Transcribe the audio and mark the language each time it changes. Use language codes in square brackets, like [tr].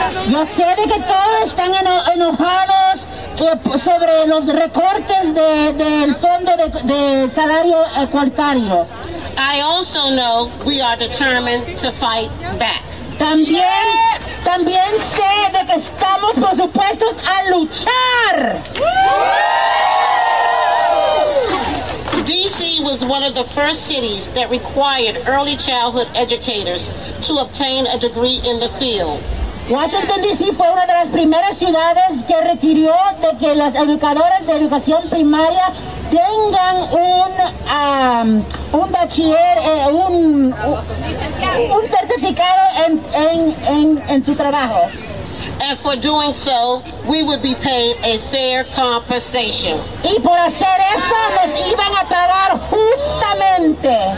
[es] Yo sé de que todos están enojados sobre los recortes del fondo de salario igualitario. [en] I also know we are determined to fight back. [es] También sé de que estamos, por supuesto, a luchar. [en] DC was one of the first cities that required early childhood educators to obtain a degree in the field. [es] Washington DC fue una de las primeras ciudades que requirió de que las educadoras de educación primaria tengan un bachiller, un certificado en su trabajo. [en] And for doing so, we would be paid a fair compensation. [es] Y por hacer eso, nos iban a pagar justamente.